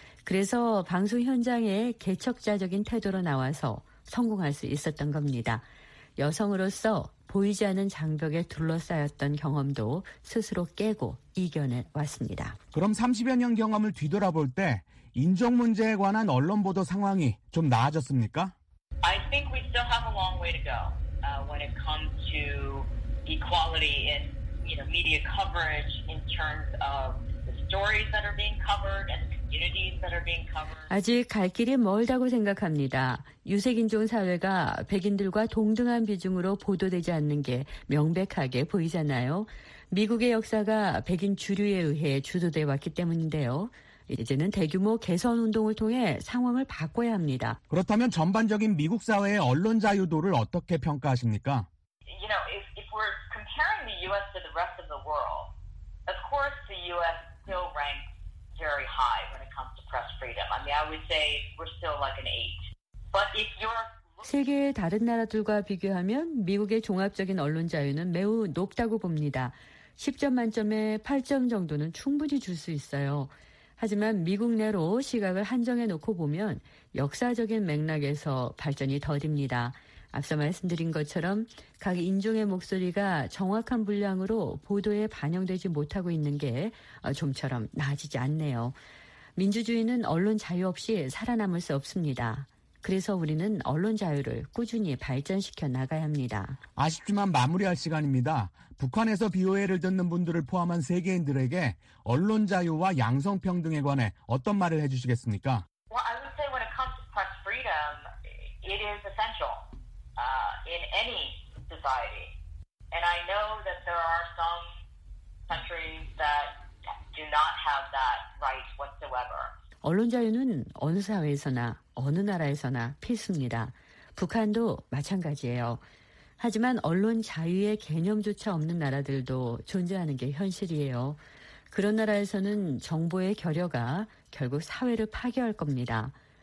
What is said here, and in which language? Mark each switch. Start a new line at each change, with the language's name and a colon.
Korean: 그래서 방송 현장에 개척자적인 태도로 나와서 성공할 수 있었던 겁니다. 여성으로서 보이지 않은 장벽에 둘러싸였던 경험도 스스로 깨고 이겨내왔습니다. 그럼 30여 년 경험을 뒤돌아볼 때 인종 문제에 관한 언론 보도 상황이 좀 나아졌습니까?
English: I think we still have a long way to go when it comes to equality in, you know, media coverage in terms of the stories that are being covered and communities that are being covered.
Korean: 아직 갈 길이 멀다고 생각합니다. 유색인종 사회가 백인들과 동등한 비중으로 보도되지 않는 게 명백하게 보이잖아요. 미국의 역사가 백인 주류에 의해 주도돼 왔기 때문인데요. 이제는 대규모 개선 운동을 통해 상황을 바꿔야 합니다. 그렇다면 전반적인 미국 사회의 언론 자유도를 어떻게 평가하십니까?
English: You know, if we're comparing the U.S. to the rest of the world, of course the U.S. still ranks very high when it comes to press freedom. I mean, I would say we're still like an 8. But if you're
Korean: 세계의 다른 나라들과 비교하면 미국의 종합적인 언론 자유는 매우 높다고 봅니다. 10점 만점에 8점 정도는 충분히 줄 수 있어요. 하지만 미국 내로 시각을 한정해 놓고 보면 역사적인 맥락에서 발전이 더딥니다. 앞서 말씀드린 것처럼 각 인종의 목소리가 정확한 분량으로 보도에 반영되지 못하고 있는 게 좀처럼 나아지지 않네요. 민주주의는 언론 자유 없이 살아남을 수 없습니다. 그래서 우리는 언론 자유를 꾸준히 발전시켜 나가야 합니다. 아쉽지만 마무리할 시간입니다. 북한에서 BOA를 듣는 분들을 포함한 세계인들에게 언론 자유와 양성평등에 관해 어떤 말을 해주시겠습니까?
English: Well, I would say when it comes to press freedom, it is essential in any society. And I know that there are some countries that do not have that right whatsoever.
Korean: 언론 자유는 어느 사회에서나 어느 나라에서나 필수입니다. 북한도 마찬가지예요. 하지만 언론 자유의 개념조차 없는 나라들도 존재하는 게 현실이에요. 그런 나라에서는 정보의 결여가 결국 사회를 파괴할 겁니다.